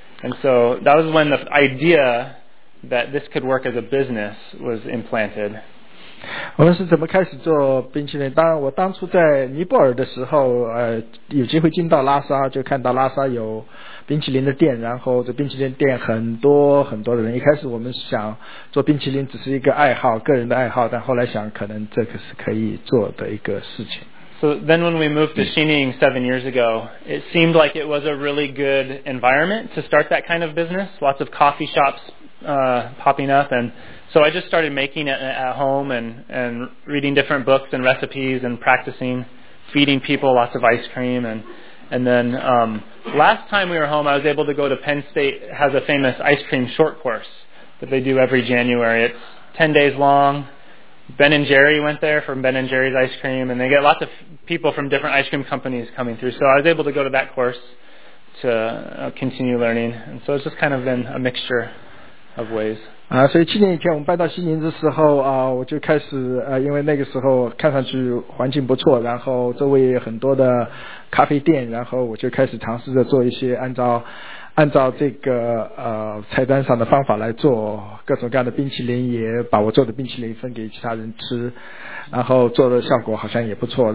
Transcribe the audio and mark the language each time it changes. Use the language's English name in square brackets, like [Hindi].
[English] And so that was when the idea that this could work as a business was implanted. [Chinese] 我们是怎么开始做冰淇淋？当然我当初在尼泊尔的时候有机会进到拉萨，就看到拉萨有冰淇淋的店，然后这冰淇淋店很多很多的人。一开始我们想做冰淇淋只是一个爱好，个人的爱好，但后来想可能这个是可以做的一个事情。 [English] So then when we moved to Xining 7 years ago, it seemed like it was a really good environment to start that kind of business. Lots of coffee shops popping up. And so I just started making it at home and reading different books and recipes and practicing, feeding people lots of ice cream. And then last time we were home, I was able to go to Penn State, has a famous ice cream short course that they do every January. It's 10 days long. Ben and Jerry went there from Ben and Jerry's ice cream, and they get lots of people from different ice cream companies coming through. So I was able to go to that course to continue learning. And so it's just kind of been a mixture of ways. [Chinese] 所以去年以前我们搬到西宁的时候我就开始因为那个时候看上去环境不错，然后周围也有很多的咖啡店，然后我就开始尝试着做一些按照这个菜单上的方法来做各种各样的冰淇淋，也把我做的冰淇淋分给其他人吃，然后做的效果好像也不错。